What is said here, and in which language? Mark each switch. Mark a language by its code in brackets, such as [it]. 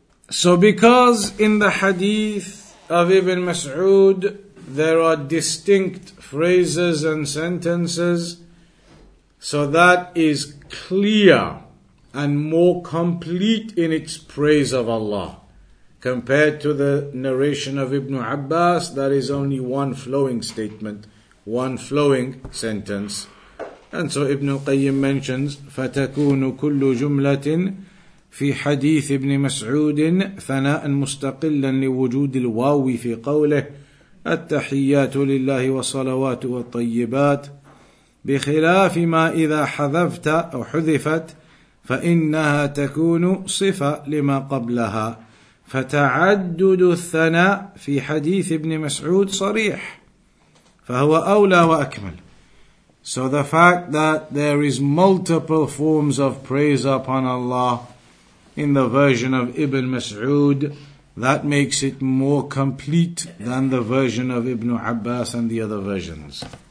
[en] So because in the hadith of Ibn Mas'ud there are distinct phrases and sentences, so that is clear and more complete in its praise of Allah compared to the narration of Ibn Abbas that is only one flowing statement, one flowing sentence. And so Ibn Qayyim mentions [ar] فَتَكُونُ كُلُّ جُمْلَةٍ في حديث ابن مسعود ثناء مستقلا لوجود الواو في قوله التحيات لله والصلوات والطيبات بخلاف ما إذا حذفت أو حذفت فإنها تكون صفة لما قبلها فتعدد الثناء في حديث ابن مسعود صريح فهو أولى وأكمل. [en] So the fact that there is multiple forms of praise upon Allah in the version of Ibn Mas'ud, that makes it more complete than the version of Ibn Abbas and the other versions.